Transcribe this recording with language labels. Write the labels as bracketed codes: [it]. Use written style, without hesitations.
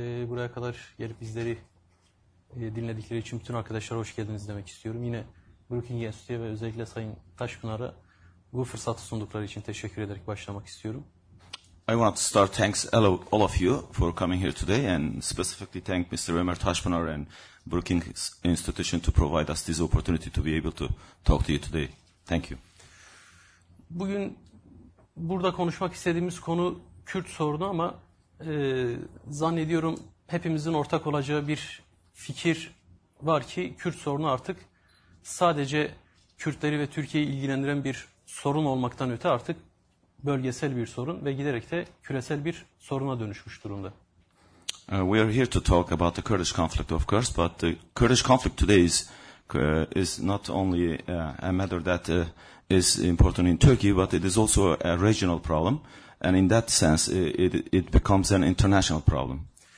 [tr] Buraya kadar gelip bizleri dinledikleri için bütün arkadaşlara hoş geldiniz demek istiyorum. Yine Brookings Enstitüsü'ne ve özellikle Sayın Taşpınar'a bu fırsatı sundukları için teşekkür ederek başlamak istiyorum. [en] I want to start thanks all of you for coming here today and specifically thank Mr. Ömer Taşpınar and Brookings Institution to provide us this opportunity to be able to talk to you today. Thank you. [tr] Bugün burada konuşmak istediğimiz konu Kürt sorunu ama zannediyorum hepimizin ortak olacağı bir fikir var ki Kürt sorunu artık sadece Kürtleri ve Türkiye'yi ilgilendiren bir sorun olmaktan öte artık bölgesel bir sorun ve giderek de küresel bir soruna dönüşmüş durumda. [en] We are here to talk about the Kurdish conflict, of course, but the Kurdish conflict today is not only a matter that is important in Turkey, but it is also a regional problem. And in that sense, it becomes an international problem.